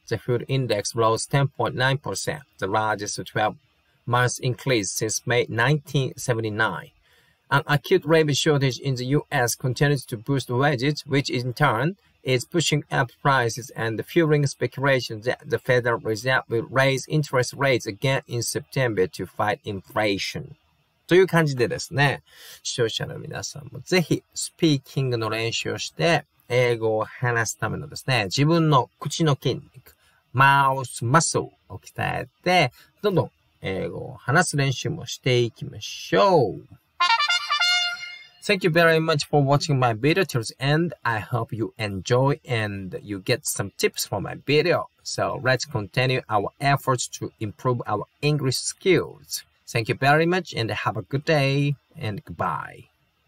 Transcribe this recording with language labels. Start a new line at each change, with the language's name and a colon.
English: The food index rose 10.9%, the largest 12-month increase since May 1979. An acute labor shortage in the U.S. continues to boost wages, which in turn is pushing up prices and fueling speculation that the Federal Reserve will raise interest rates again in September to fight inflation.
Japanese: という感じでですね、視聴者の皆さんもぜひスピーキングの練習をして、英語を話すためのですね、自分の口の筋肉、マウスマッスルを鍛えて、どんどん英語を話す練習もしていきましょう。
English: Thank you very much for watching my video till the end. I hope you enjoy and you get some tips from my video. So let's continue our efforts to improve our English skills. Thank you very much and have a good day and goodbye.